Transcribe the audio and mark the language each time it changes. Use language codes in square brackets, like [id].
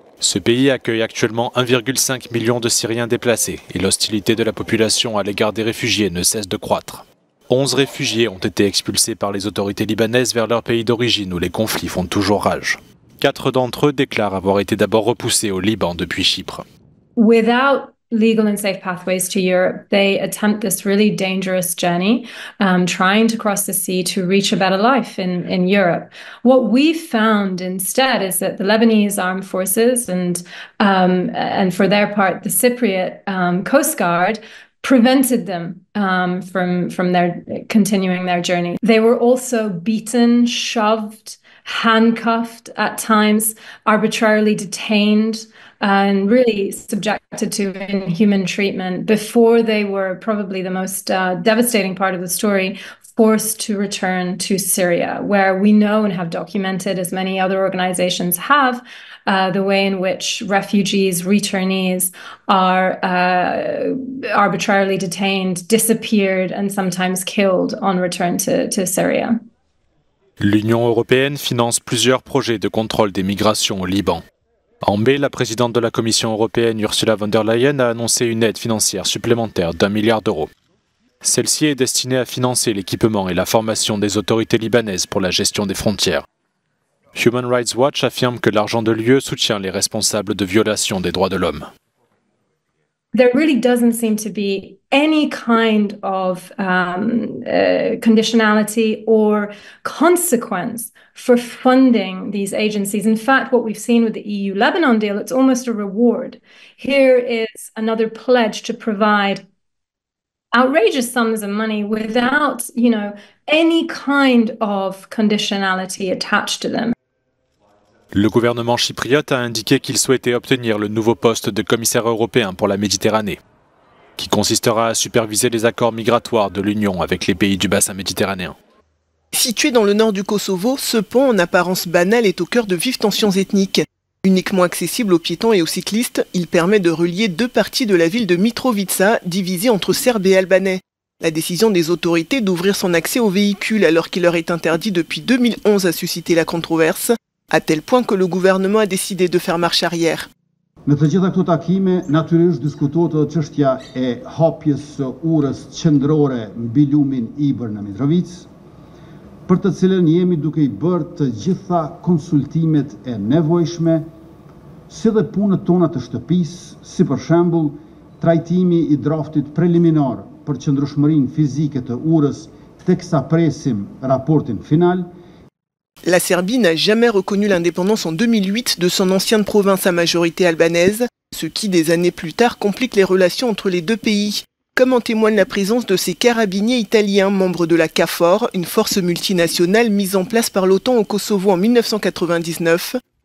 [fr] Ce pays accueille actuellement 1,5 million de Syriens déplacés et l'hostilité de la population à l'égard des réfugiés ne cesse de croître. 11 réfugiés ont été expulsés par les autorités libanaises vers leur pays d'origine où les conflits font toujours rage. 4 d'entre eux déclarent avoir été d'abord repoussés au Liban depuis Chypre. [en] Without legal and safe pathways to Europe, they attempt this really dangerous journey, trying to cross the sea to reach a better life in Europe. What we found instead is that the Lebanese armed forces and for their part the Cypriot Coast Guard prevented them from their continuing their journey. They were also beaten, shoved, handcuffed at times, arbitrarily detained, and really subjected to inhuman treatment before they were probably the most devastating part of the story, forced to return to Syria, where we know and have documented, as many other organizations have, the way in which refugees, returnees are arbitrarily detained, disappeared, and sometimes killed on return to Syria. [fr] L'Union européenne finance plusieurs projets de contrôle des migrations au Liban. En mai, la présidente de la Commission européenne, Ursula von der Leyen, a annoncé une aide financière supplémentaire d'€1 milliard. Celle-ci est destinée à financer l'équipement et la formation des autorités libanaises pour la gestion des frontières. Human Rights Watch affirme que l'argent de l'UE soutient les responsables de violations des droits de l'homme. [en] There really doesn't seem to be any kind of conditionality or consequence for funding these agencies. In fact, what we've seen with the EU-Lebanon deal, it's almost a reward. Here is another pledge to provide outrageous sums of money without, you know, any kind of conditionality attached to them. [fr] Le gouvernement chypriote a indiqué qu'il souhaitait obtenir le nouveau poste de commissaire européen pour la Méditerranée, qui consistera à superviser les accords migratoires de l'Union avec les pays du bassin méditerranéen. Situé dans le nord du Kosovo, ce pont en apparence banal est au cœur de vives tensions ethniques. Uniquement accessible aux piétons et aux cyclistes, il permet de relier deux parties de la ville de Mitrovica, divisée entre Serbes et Albanais. La décision des autorités d'ouvrir son accès aux véhicules alors qu'il leur est interdit depuis 2011 a suscité la controverse, à tel point que le gouvernement a décidé de faire marche arrière. [sq] Në të gjitha këto takime, natyrisht diskutohet edhe çështja e hapjes së urës qendrore mbi lumin Ibër në Mitrovicë, për të cilën jemi duke i bërë të gjitha konsultimet e nevojshme, si dhe punët tona të shtëpisë, si për shembull trajtimi i draftit preliminar për qëndrueshmërinë fizike të urës, teksa presim raportin final. [fr] La Serbie n'a jamais reconnu l'indépendance en 2008 de son ancienne province à majorité albanaise, ce qui, des années plus tard, complique les relations entre les deux pays, comme en témoigne la présence de ces carabiniers italiens, membres de la KFOR, une force multinationale mise en place par l'OTAN au Kosovo en 1999.